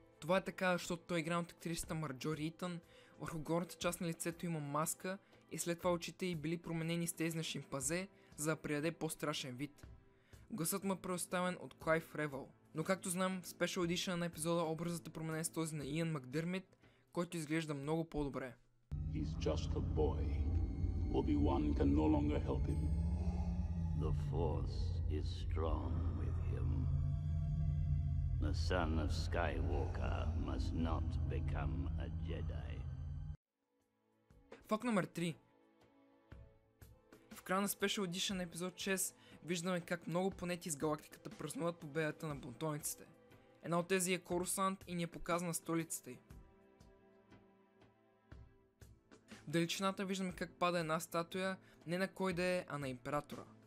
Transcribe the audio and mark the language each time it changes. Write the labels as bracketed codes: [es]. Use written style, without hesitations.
[bg] Това е така, защото той е играл от актрисата Марджори Итън, върху горната част на лицето има маска и след това очите й били променени с тези на шимпазе, за да придаде по-страшен вид. Гласът му е предоставен от Клайв Ревъл. Но както знам, в Special Edition на епизода образът е променен с този на Иън Макдърмит, който изглежда много по-добре. [en] He's just a boy. Obi-Wan can no longer help him. The Force is strong with him. The son of Skywalker must not become a Jedi. [bg] Факт номер 3. В края на Special Edition на епизод 6 виждаме как много планети из галактиката празнуват победата на бунтовниците. Една от тези е Корусант и ни е показана столицата й. В далечината виждаме как пада една статуя, не на кой да е, а на императора.